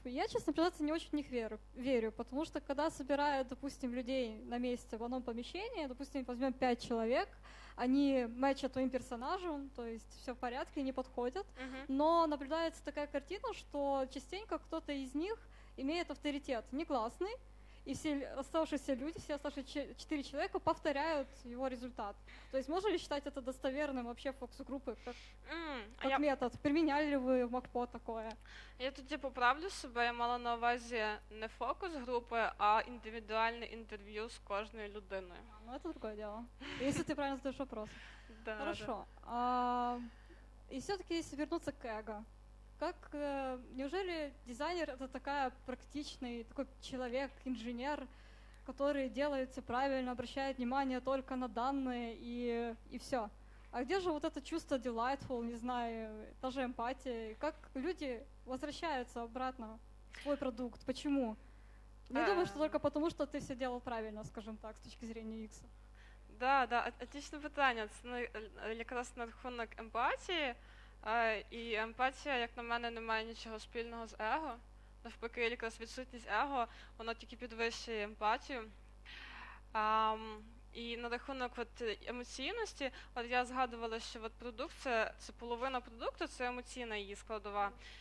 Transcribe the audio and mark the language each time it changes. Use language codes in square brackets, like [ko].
[ru] Я, честно признаться, не очень в них верю, потому что когда собирают, допустим, людей на месте в одном помещении, допустим, возьмем 5 человек, они мэчат твоим персонажем, то есть все в порядке, не подходят, но наблюдается такая картина, что частенько кто-то из них имеет авторитет негласный, и все оставшиеся 4 человека повторяют его результат. То есть можно ли считать это достоверным вообще фокус-группы, как метод? Применяли ли вы в МакПо такое? [uk] Я тут поправлю себе, я мала на увазі не фокус-групи, а індивідуальне інтерв'ю з кожною людиною. Ну, це друге діло. Якщо ти правильно задаєш вопрос. [ru] Да, хорошо. Да. И все-таки если вернуться к эго, как неужели дизайнер это такая практичный такой человек, инженер, который делает все правильно, обращает внимание только на данные и все? А где же вот это чувство delightful, не знаю, та же эмпатия? Как люди возвращаются обратно в свой продукт? Почему? Не думаю, что только потому, что ты все делал правильно, скажем так, с точки зрения UX. Да, да, отличное питання. [uk] Це як раз на рахунок емпатії. І емпатія, як на мене, не має нічого спільного з его. Навпаки, якраз відсутність его, воно тільки підвищує емпатію. І на рахунок от емоційності, от я згадувала, що от продукт це половина продукту, це емоційна її складова.